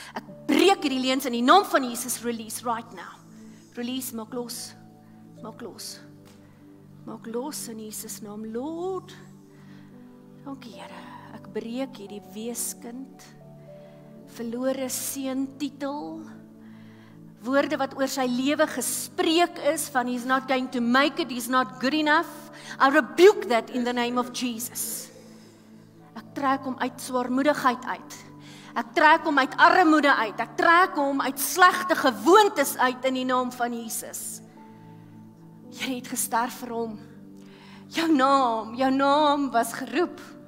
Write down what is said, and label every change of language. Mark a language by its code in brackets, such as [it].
[af] Ek breek die leens in die naam van Jesus [en] release right now. [af] Release, maak los. Maak los. Maak los in Jesus naam, Lord. Dankie, Here. Ek breek hierdie weeskind, verlore seun titel. Woorde wat oor sy lewe gespreek is van [en] he's not going to make it, he's not good enough. I rebuke that in the name of Jesus. [af] Ek trek hom uit swaarmoedigheid uit. Ek trek hom uit armoede uit. Ek trek hom uit slegte gewoontes uit in die naam van Jesus. Jy het gesterf vir hom. Jou naam was geroep.